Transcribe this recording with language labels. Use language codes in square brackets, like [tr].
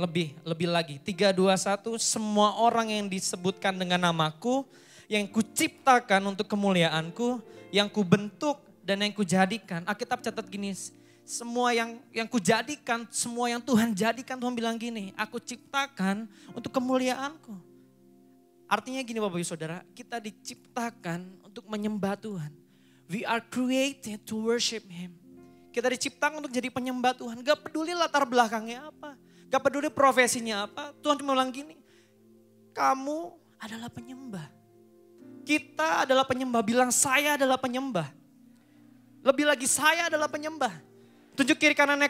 [id] Lebih lagi. 3, 2, 1. Semua orang yang disebutkan dengan namaku, yang kuciptakan untuk kemuliaanku, yang kubentuk dan yang kujadikan. Alkitab catat gini. Semua yang kujadikan, semua yang Tuhan jadikan, Tuhan bilang gini. Aku ciptakan untuk kemuliaanku. Artinya gini Bapak Ibu Saudara. Kita diciptakan untuk menyembah Tuhan. [en] We are created to worship Him. [id] Kita diciptakan untuk jadi penyembah Tuhan. Gak peduli latar belakangnya apa. Gak peduli profesinya apa. Tuhan cuma bilang gini. Kamu adalah penyembah. Kita adalah penyembah. Bilang saya adalah penyembah. Lebih lagi saya adalah penyembah. Tunjuk kiri kanannya.